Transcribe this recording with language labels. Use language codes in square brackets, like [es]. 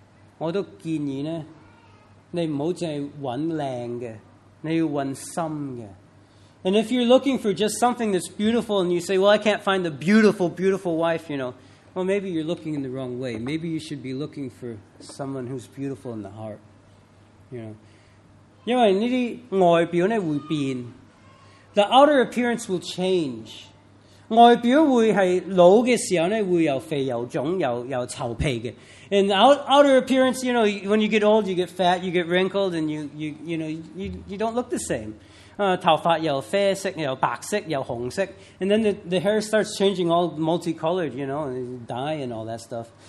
[zh] 弟兄,如果你找不到一个你认为这么漂亮的,我都建议呢, 你不要只找漂亮的, [en] and if you're looking for just something that's beautiful and you say, well, I can't find a beautiful wife, you know, well, maybe you're looking in the wrong way. Maybe you should be looking for someone who's beautiful in the heart. You know, [zh] 因为这些外表会变, [en] the outer appearance will change. [zh] 外表会是老的时候会有肥有肿有臭皮的。 [en] And outer appearance, you know, when you get old, you get fat, you get wrinkled, and you know, you don't look the same. [zh] 头发又啡色,又白色,又红色, [en] and then the hair starts changing all multicolored, you know, dye and all that stuff.